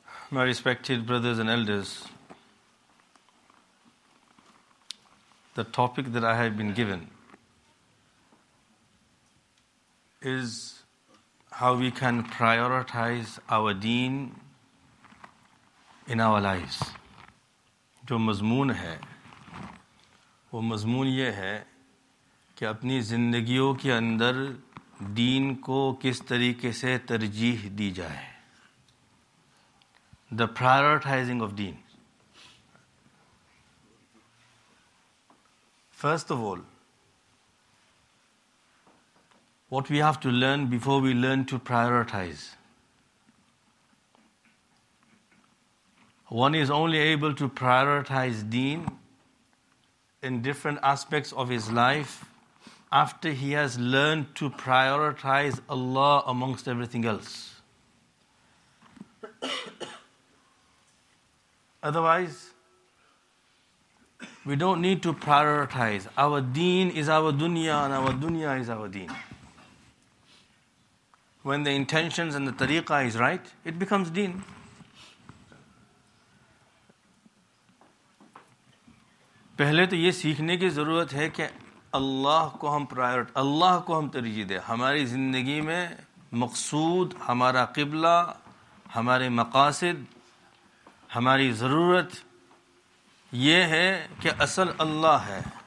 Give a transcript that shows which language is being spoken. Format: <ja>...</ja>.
<en>My respected brothers and elders, the topic that I have been given is how we can prioritize our deen in our lives.</en> <ur>جو مضمون ہے وہ مضمون یہ ہے کہ اپنی زندگیوں کے اندر دین کو کس طریقے سے ترجیح دی جائے.</ur> <en>The prioritizing of deen. First of all, what we have to learn before we learn to prioritize. One is only able to prioritize deen in different aspects of his life after he has learned to prioritize Allah amongst everything else. Otherwise, we don't need to prioritize. Our deen is our dunya and our dunya is our deen. When the intentions and the tariqah is right, it becomes deen.</en> <ur>پہلے تو یہ سیکھنے کی ضرورت ہے کہ اللہ کو ہم ترجیح دیں. ہماری زندگی میں مقصود, ہمارا قبلہ, ہمارے مقاصد, ہماری ضرورت یہ ہے کہ اصل اللہ ہے.</ur>